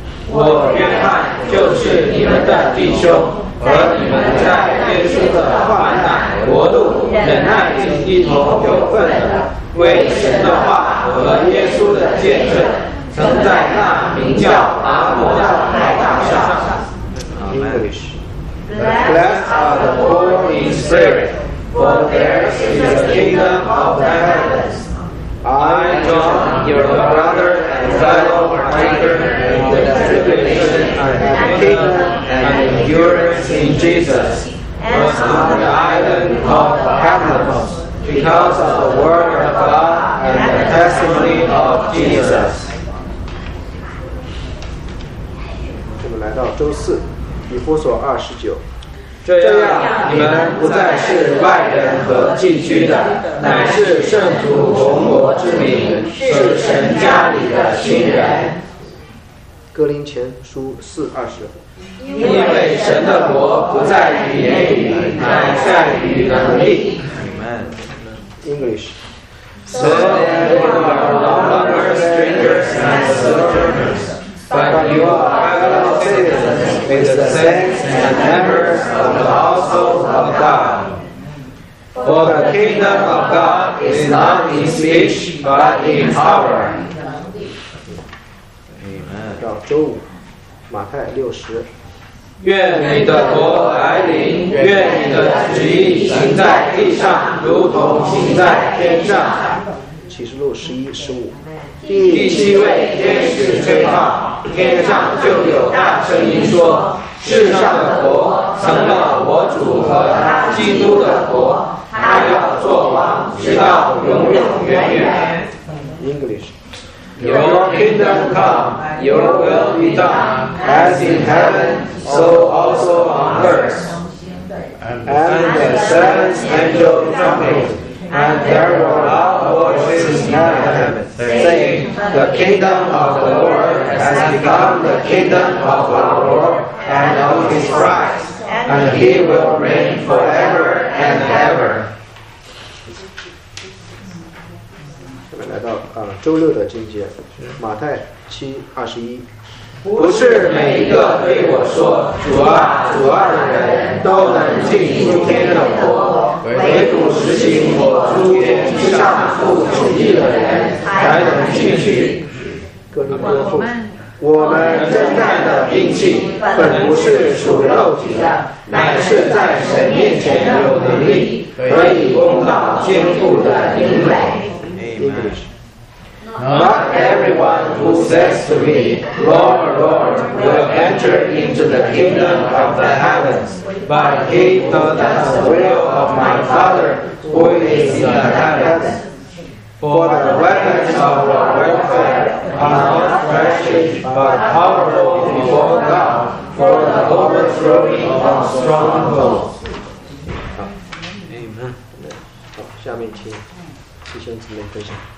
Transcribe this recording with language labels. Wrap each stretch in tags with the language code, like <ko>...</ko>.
<zh>我约翰就是你们的弟兄，和你们在耶稣的患难国度忍耐里一同有份的，为神的话和耶稣的见证，曾在那名叫阿摩的海岛上。</zh> <en>English. Blessed are the poor in spirit. For theirs is the kingdom of the heavens. I, John, your brother and fellow partaker in the tribulation and kingdom and endurance in Jesus, was on the island called Patmos because of the word of God and the testimony of Jesus.</en> <zh>我们来到周四，以弗所2:19。这样你们不再是外人和寄居的，乃是圣徒同国之民，是神家里的亲人。哥林前书4:20。因为神的国不在于言语，乃在于能力。</zh> <en>English. So you are no longer strangers and sojourners, but you are fellow citizens. With the saints and members of the household of God. For the kingdom of God is not in speech, but in power.</en> <zh>Amen. 到周五，马太60。愿你的国来临，愿你的旨意行在地上，如同行在天上。启示录11:15。第七位天使吹号，天上就有大声音说：“世上的国成了我主和他基督的国，他要做王，直到永永远远。”</zh> <en>English. Your kingdom come, your will be done, as in heaven, so also on earth. And the seventh angel trumpet. And there were loud voices in heaven, saying, The kingdom of the Lord has become the kingdom of our Lord and of his Christ, and he will reign forever and ever.</en> <zh>下面来到周六的经节，马太7:21。不是每一个对我说主啊主啊的人都能进诸天的国，唯独实行我诸天之上父旨意的人才能进去。哥林多后书，我们征战的兵器本不是属肉体的，乃是在神面前有能力，可以攻到坚固的营垒。</zh> <en>Not everyone who says to me, Lord, Lord, will enter into the kingdom of the heavens, but he who does the will of my Father who is in the heavens. For the weapons of our warfare are not flesh, but powerful before God for the overthrowing of strongholds. Amen.</en> <zh>好，下面请弟兄姊妹分享。</zh>